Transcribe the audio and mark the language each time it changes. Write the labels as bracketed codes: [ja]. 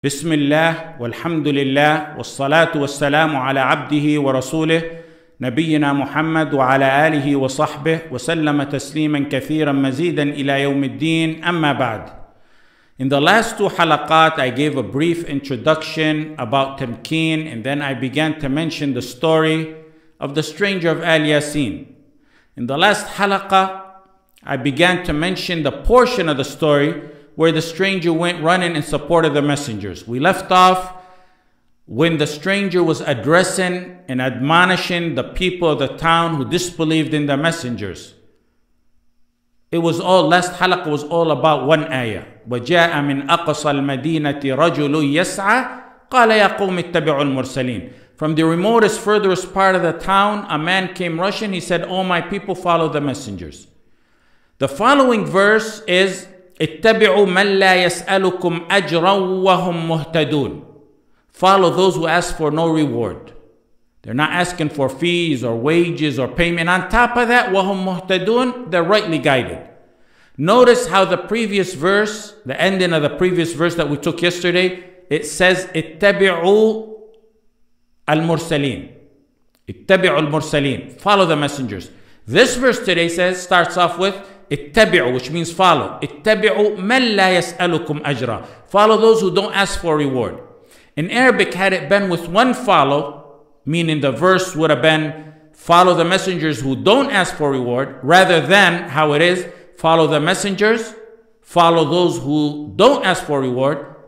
[ar] بسم الله والحمد لله والصلاة والسلام على عبده ورسوله نبينا محمد وعلى آله وصحبه وسلم تسليما كثيرا مزيدا إلى يوم الدين. أما بعد, [en] in the last two حلقات I gave a brief introduction about تمكين, and then I began to mention the story of the stranger of آل ياسين. In the last حلقة I began to mention the portion of the story where the stranger went running in support of the messengers. We left off when the stranger was addressing and admonishing the people of the town who disbelieved in the messengers. It was all, last halaqah was all about one ayah. [ar] وَجَاءَ مِنْ أَقْصَى الْمَدِينَةِ رَجُلُ يَسْعَى قَالَ يَا قُومِ اتَّبِعُوا الْمُرْسَلِينَ. [en] From the remotest, furthest part of the town, a man came rushing. He said, "Oh, my people, follow the messengers." The following verse is, [ar] اتبعوا من لا يسألكم أجرا وهم مهتدون. [en] Follow those who ask for no reward. They're not asking for fees or wages or payment. On top of that, [ar] وهم مهتدون, [en] they're rightly guided. Notice how the previous verse, the ending of the previous verse that we took yesterday, it says [ar] اتبعوا المرسلين. اتبعوا المرسلين. [en] Follow the messengers. This verse today says, starts off with اتبعوا, which means follow. [ar] اتبعوا من لا يسألكم أجرا. [en] Follow those who don't ask for reward. In Arabic, had it been with one follow, meaning the verse would have been follow the messengers who don't ask for reward, rather than how it is, follow the messengers, follow those who don't ask for reward.